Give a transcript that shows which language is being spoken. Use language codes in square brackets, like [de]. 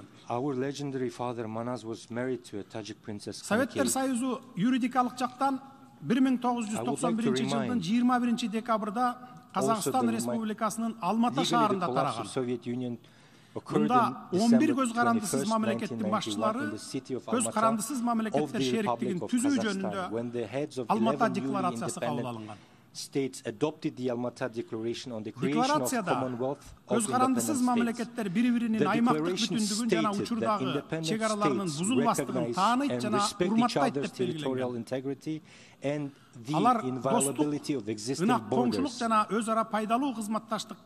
[en] Our legendary father Manas was married to a Tajik princess. [ky] Советтер Союзу юридикалык жактан 1991 жылдын 21 декабрда Казакстан Республикасынын Алматы шаарында тараган. Мында 11 көз карандысыз мамлекеттин башчылары көз карандысыз мамлекеттер шериктигин түзүү жөнүндө Алматы декларациясы кабыл алынган. [en] States adopted the Almaty Declaration on the creation of the Commonwealth of Independent States. The declaration stated that independent states recognize and respect each other's territorial integrity and the inviolability of existing borders.